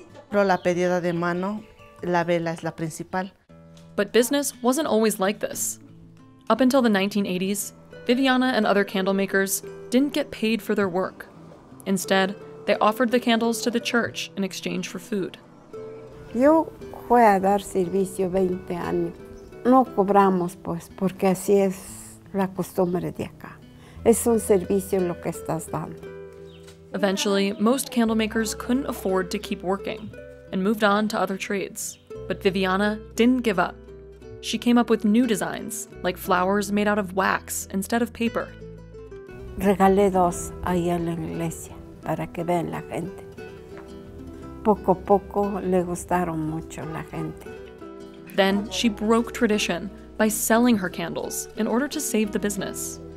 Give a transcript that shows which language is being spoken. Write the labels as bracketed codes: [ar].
[en] But business wasn't always like this. Up until the 1980s, Viviana and other candle makers didn't get paid for their work. Instead, they offered the candles to the church in exchange for food. [es] Yo fui a dar servicio 20 años. No cobramos, pues, porque así es la costumbre de acá. Es un servicio lo que estás dando. [en] Eventually, most candle makers couldn't afford to keep working and moved on to other trades, But Viviana didn't give up. She came up with new designs, like flowers made out of wax instead of paper. [es] Regalé dos ahí en la iglesia para que vean la gente. Poco a poco le gustaron mucho la gente. [en] Then she broke tradition by selling her candles in order to save the business.